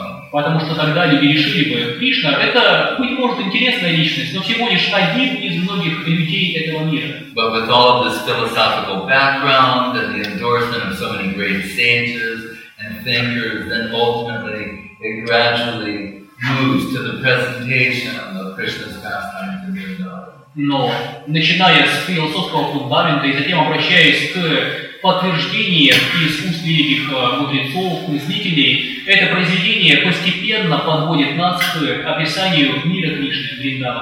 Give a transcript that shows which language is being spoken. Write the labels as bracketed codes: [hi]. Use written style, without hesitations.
[ru] Потому что тогда люди решили бы, Кришна — это, быть может, интересная личность, но всего лишь один из многих людей этого мира. [en] But with all of this philosophical background and the endorsement of so many great sages and thinkers, then ultimately it gradually moves to the presentation of Krishna's pastime in Vrindavan. [ru] Но, начиная с философского фундамента и затем обращаясь к подтверждение из уст великих мудрецов, мыслителей, это произведение постепенно подводит нас к описанию мира Кришны